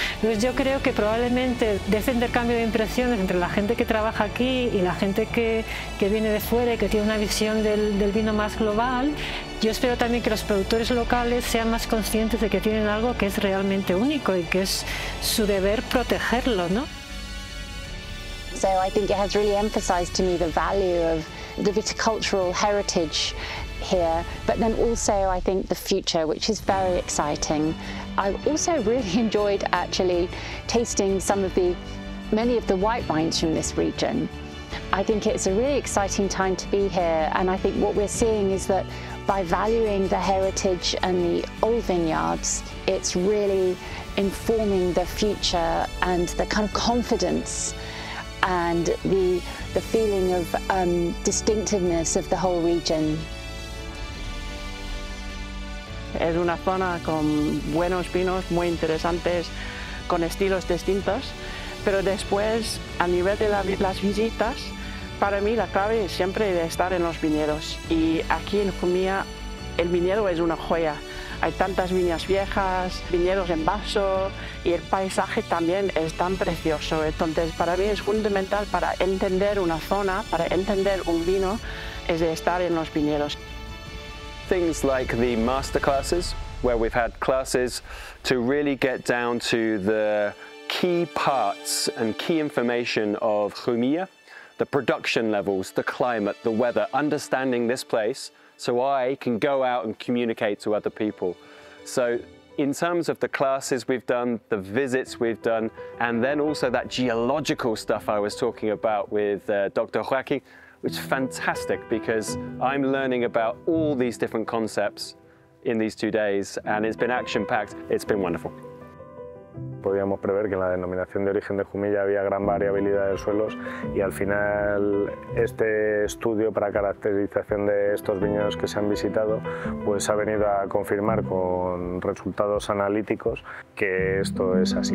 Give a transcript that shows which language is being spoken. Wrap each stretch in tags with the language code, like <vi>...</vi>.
<es>Entonces yo creo que probablemente de ese intercambio de impresiones entre la gente que trabaja aquí y la gente que viene de fuera y que tiene una visión del vino más global, yo espero también que los productores locales sean más conscientes de que tienen algo que es realmente único y que es su deber protegerlo, ¿no?</es> <en>So I think it has really emphasized to me the value of the viticultural heritage here, but then also I think the future, which is very exciting. I also really enjoyed actually tasting many of the white wines from this region. I think it's a really exciting time to be here, and I think what we're seeing is that by valuing the heritage and the old vineyards, it's really informing the future and the kind of confidence and the feeling of distinctiveness of the whole region.</en> <es>Es una zona con buenos vinos, muy interesantes, con estilos distintos, pero después, a nivel de las visitas, para mí la clave es siempre de estar en los viñedos. Y aquí en Jumilla el viñedo es una joya. Hay tantas viñas viejas, viñedos en vaso y el paisaje también es tan precioso. Entonces para mí es fundamental para entender una zona, para entender un vino, es de estar en los viñedos.</es> <en>Things like the masterclasses, where we've had classes to really get down to the key parts and key information of Jumilla. The production levels, the climate, the weather, understanding this place so I can go out and communicate to other people. So in terms of the classes we've done, the visits we've done, and then also that geological stuff I was talking about with Dr. Joaquin, which is fantastic because I'm learning about all these different concepts in these 2 days and it's been action-packed. It's been wonderful.</en> <es>Podíamos prever que en la denominación de origen de Jumilla había gran variabilidad de suelos y al final este estudio para caracterización de estos viñedos que se han visitado pues ha venido a confirmar con resultados analíticos que esto es así.</es>